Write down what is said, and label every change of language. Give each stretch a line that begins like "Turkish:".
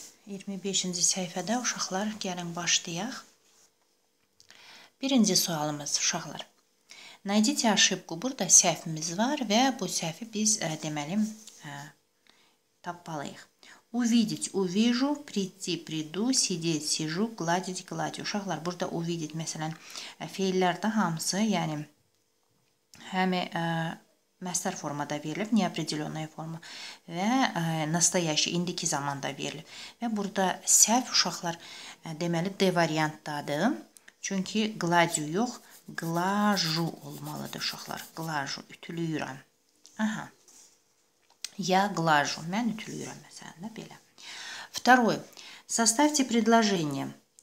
Azerbaijani: 25-ci səhifədə uşaqlar, gəlin başlayaq. Birinci sualımız uşaqlar.
Russian: Найдите ошибку,
Azerbaijani: burada səhvimiz var və bu səhvi biz, deməli, tapmalıyıq.
Russian: Увидеть, увижу, прийти, приду, сидеть, сижу, гладить, гладь.
Azerbaijani: Uşaqlar, burada увидеть, məsələn, fiillərdə hamısı, yəni, həmi məsdər formada verilib,
Russian: неопределённая форма,
Azerbaijani: və настоящий, indiki zamanda verilib. Və burada səhv uşaqlar, deməli, D variantdadır. Çünki гладю yox, глажу olmalıdır uşaqlar.
Russian: Глажу, ütülüyürəm. Aha. Я глажу.
Azerbaijani: Мен утюлюрам,
Russian: на беле. Второе. Составьте предложение.